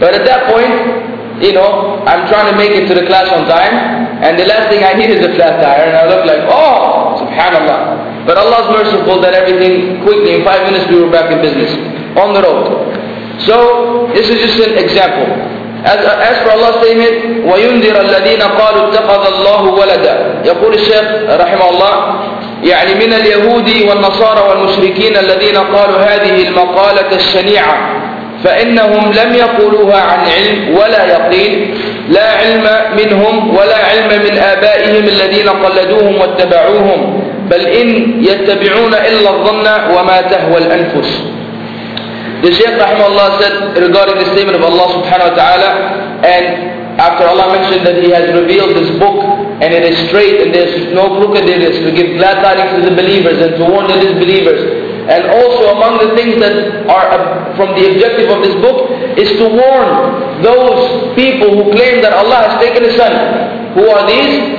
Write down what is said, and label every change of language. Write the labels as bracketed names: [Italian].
[English] But at that point, you know, I'm trying to make it to the class on time, and the last thing I need is a flat tire, and I look like, oh, subhanAllah. But Allah is merciful that everything quickly, in 5 minutes we were back in business, on the road. So, this is just an example. As for Allah's statement, [Arabic] وَيُنذِرَ الَّذِينَ قَالُوا اتَّخَذَ اللَّهُ وَلَدًا. يقول الشيخ رحمه الله, يعني من اليهود والنصارى والمشركين الذين قالوا هذه المقالة الشنيعة فإنهم لم يقولوها عن علم ولا يقين، لا علم منهم ولا علم من آبائهم الذين قلدوهم واتبعوهم، بل إن يتبعون إلا الظن وما تهوى الأنفس. [English] The Shaykh Rahimahullah said regarding the statement of Allah subhanahu wa ta'ala, and after Allah mentioned that He has revealed this book and it is straight and there's no crookedness, to give glad tidings to the believers and to warn the disbelievers, and also among the things that are from the objective of this book is to warn those people who claim that Allah has taken a son. Who are these?